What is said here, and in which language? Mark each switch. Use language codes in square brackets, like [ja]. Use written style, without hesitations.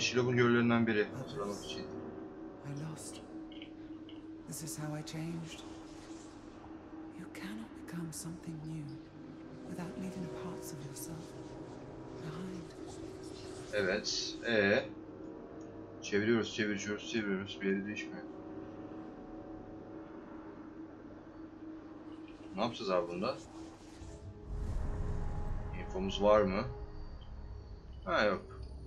[tr] Shilob'un görevlerinden biri hatırlamak için. [en] I lost. This is how I changed. You cannot become something new without leaving parts of yourself behind. [tr] Evet. Çeviriyoruz, çeviriyoruz, çeviriyoruz. Bir yeri değişmiyor. Ne yapacağız abi bunda? İnfomuz var mı? Ha yok.